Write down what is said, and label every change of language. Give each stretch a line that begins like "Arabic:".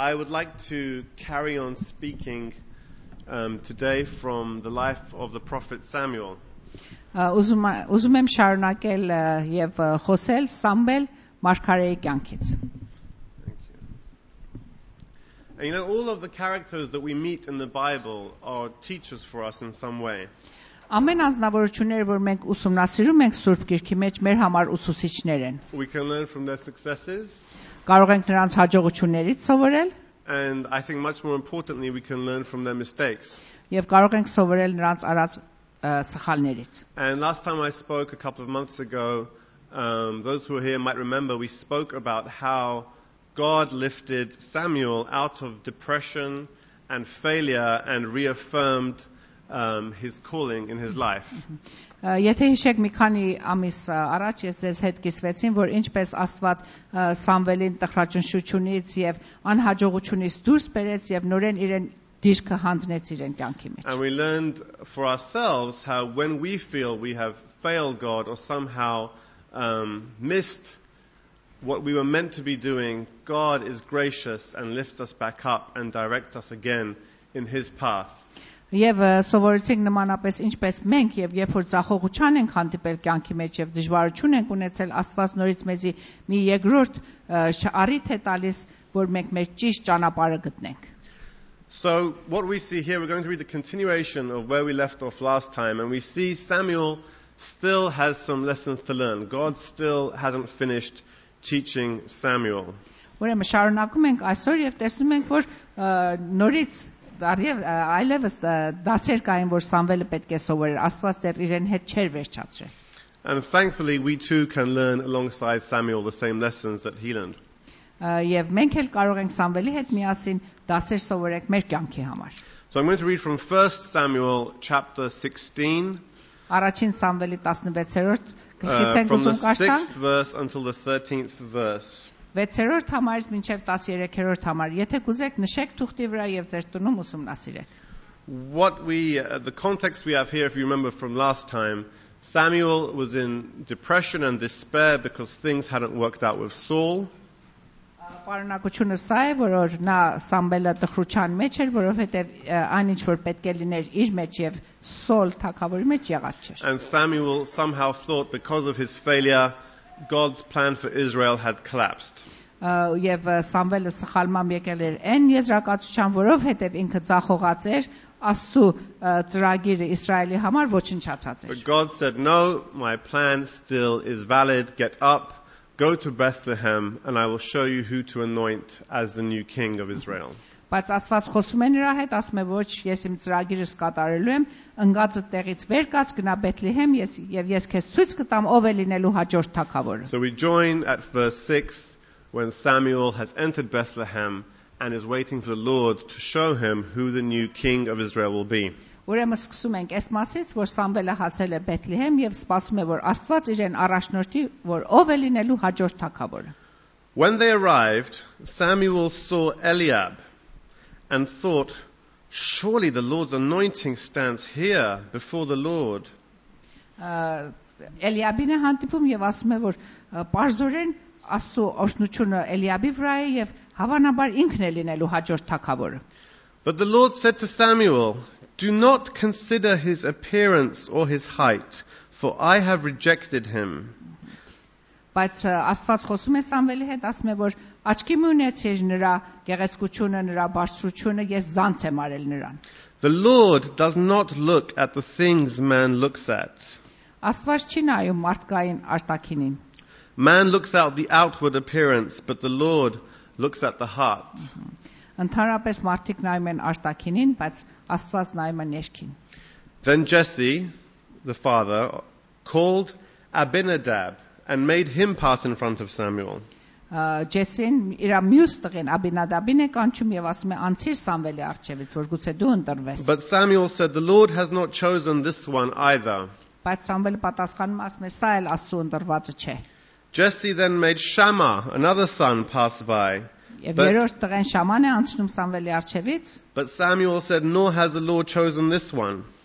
English: I would like to carry on speaking today from the life of the prophet Samuel.
Armenian: Uzumem sharunakel yev khosel Samuel mashkareri kyankits.
English: And you know, all of the characters that we meet in the Bible are teachers for us in some way.
Armenian: Ամեն անձնավորությունները, որ մենք ուսումնասիրում ենք Սուրբ Գիրքի մեջ, մեր համար ուսուցիչներ են։
English: We can learn from their successes.
Armenian: Կարող ենք նրանց հաջողություններից սովորել։
English: And I think much more importantly, we can learn from their mistakes.
Armenian: Եվ կարող ենք սովորել նրանց արած սխալներից։
English: And last time I spoke a couple of months ago, those who are here might remember we spoke about how God lifted Samuel out of depression and failure and reaffirmed his calling in his life.
Armenian: Եթե հիշեք մի քանի ամիս առաջ ես ձեզ հետ կիսվեցին, որ ինչպես Աստված Սամվելին տխրաճնշությունից եւ անհաջողությունից դուրս բերեց եւ նորեն իրեն դիրքը հանձնեց իրեն կյանքի մեջ.
English: And we learned for ourselves how when we feel we have failed God or somehow missed what we were meant to be doing, God is gracious and lifts us back up and directs us again in his path.
Armenian: Եվ սովորեցինք նմանապես ինչպես մենք եւ երբ որ ցախողության ենք հանդիպել կյանքի մեջ եւ դժվարություն ենք ունեցել Աստված նորից մեզի մի երկրորդ առիթ է տալիս որ մենք մեր ճիշտ ճանապարհը գտնենք.
English: So what we see here, we're going to read the continuation of where we left off last time, and we see Samuel still has some lessons to learn. God still hasn't finished teaching Samuel.
Armenian: Ուրեմն շարունակում ենք այսօր եւ տեսնում ենք որ նորից Դարիև այլևս դասեր կային որ Սամվելը պետք է սովորեր Աստված դեռ իրեն հետ չէր վերջացրել
English: And thankfully we too can learn alongside Samuel the same lessons that he learned.
Armenian: Եվ մենք էլ կարող ենք Սամվելի հետ միասին դասեր սովորենք մեր կյանքի համար.
English: So I'm going to read from 1 Samuel chapter 16.
Armenian: Առաջին Սամվելի 16-րդ գլխից ենք ուսում կարդալ.
English: From the 6th verse until the 13th verse.
Armenian: 6-րդ համարից մինչև 13-րդ համար, եթե կուզեք, նշեք թուղթի վրա եւ ձեր տունում ուսումնասիրեք։
English: What we the context we have here if you remember from last time, Samuel was in depression and despair because things hadn't worked out with Saul.
Armenian: Պարունակությունը սա է, որ նա Սամբելը տխրության մեջ էր, որովհետեւ այն ինչ որ պետք է լիներ իր մեջ եւ Սոլ թակավորի մեջ եղած չէր։
English: And Samuel somehow thought because of his failure God's plan for Israel had collapsed.
Armenian: Եվ Սամվելը սխալմամբ եկել էր այն եզրակացության, որով հետև ինքը ցախողած էր, Աստծո ծրագիրը Իսրայելի համար ոչնչացած էր.
English: But God said, "No, my plan still is valid. Get up, go to Bethlehem, and I will show you who to anoint as the new king of Israel."
Armenian: Բայց Աստված խոսում է նրա հետ, ասում է, ոչ, ես իմ ծրագիրս կատարելու եմ, ընկածը տեղից վեր կաց, գնա Բեթլեհեմ, ես քեզ ցույց կտամ, ով է լինելու հաջորդ թագավորը։
English: So we join at verse 6 when Samuel has entered Bethlehem and is waiting for the Lord to show him who the new king of Israel will be.
Armenian: Ուրեմն սկսում ենք այս մասից, որ Սամվելը հասել է Բեթլեհեմ եւ սպասում է, որ Աստված իրեն առաջնորդի, որ ով է լինելու հաջորդ թագավորը։
English: When they arrived, Samuel saw Eliab and thought, surely the Lord's anointing stands here before the Lord.
Armenian: Eliab-ին հանդիպում եւ ասում է որ պարզորեն Աստծո օրհնությունը Eliab-ի վրա է եւ հավանաբար ինքն է լինելու հաջորդ թագավորը.
English: But the Lord said to Samuel, do not consider his appearance or his height, for I have rejected him.
Armenian: Բայց Աստված խոսում է Սամվելի հետ, ասում է որ աչքի մի ունեցիր նրա գեղեցկությունը, նրա բարձրությունը, ես զանց եմ արել նրան։
English: The Lord does not look at the things man looks at.
Armenian: Աստված չի նայում մարդկային արտաքինին։
English: Man looks at the outward appearance, but the Lord looks at the heart.
Armenian: Ընդհանրապես մարդիկ նայում են արտաքինին, բայց Աստված նայում է ներքին։
English: Then Jesse, the father, called Abinadab and made him pass in front of Samuel.
Armenian: Jesse-ն իր մյուս տղեն Աբինադաբին է կանչում եւ ասում է անցիր Սամվելի առջևից, որ գուցե դու ընտրվես.
English: But Samuel said the Lord has not chosen this one either.
Armenian: Բայց Սամվելը պատասխանում ասում է սա էլ Աստծո ընտրվածը չէ.
English: Jesse then made Shammah, another son, pass by.
Armenian: Եվ երրորդ տղեն Շաման է անցնում Սամվելի առջևից.
English: But Samuel said nor has the Lord chosen this one.